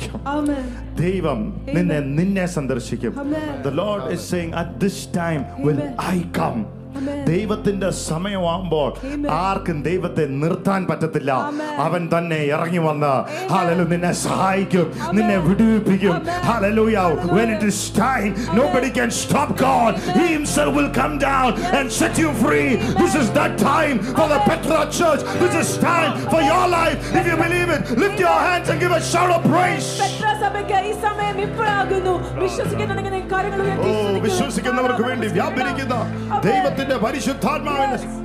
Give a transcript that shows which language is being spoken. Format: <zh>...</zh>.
<ml>ഈ സമയത്ത് സാറയ്ക്ക് ഞാൻ സന്ദർശിക്കും.</ml> <en>The Lord is saying, at this time will I come.</en> <ml>ദൈവത്തിന്റെ സമയമാകുമ്പോൾ ആർക്കും ദൈവത്തെ നിർത്താൻ പറ്റത്തില്ല. അവൻ തന്നെ ഇറങ്ങി വന്ന് ഹല്ലേലൂയ നിന്നെ സഹായിക്കും, നിന്നെ വിടുവിപ്പിക്കും. Hallelujah.</ml> <en>When it is time, nobody can stop God. He himself will come down and set you free. This is that time for the Petra church. This is time for your life. If you believe it, lift your hands and give a shout of praise.</en> <ml>Petra സഭയ്ക്ക് ഈ സമയം ഇപ്പോഴാകുന്നു. വിശ്വസിക്കുന്നവരെ കാര്യങ്ങൾ ഉയർത്തി സ്തുതിക്കുക. വിശ്വസിക്കുന്നവർക്ക് വേണ്ടി വ്യാപരിക്കുന്ന ദൈവത്തിന്റെ പരിശുദ്ധാത്മാവിനെ.</ml>